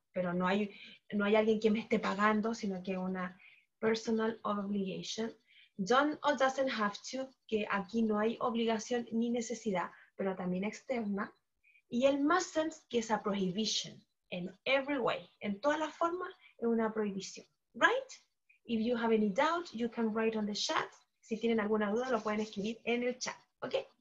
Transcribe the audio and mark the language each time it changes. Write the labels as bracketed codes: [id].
[es] Pero no hay alguien que me esté pagando, sino que una personal obligation. Don't or doesn't have to, que aquí no hay obligación ni necesidad, pero también externa. Y el mustn't, que es [en] a prohibition, in every way, [es] en todas las formas, es una prohibición, [en] right? If you have any doubt, you can write on the chat. [es] Si tienen alguna duda, lo pueden escribir en el chat, ¿ok?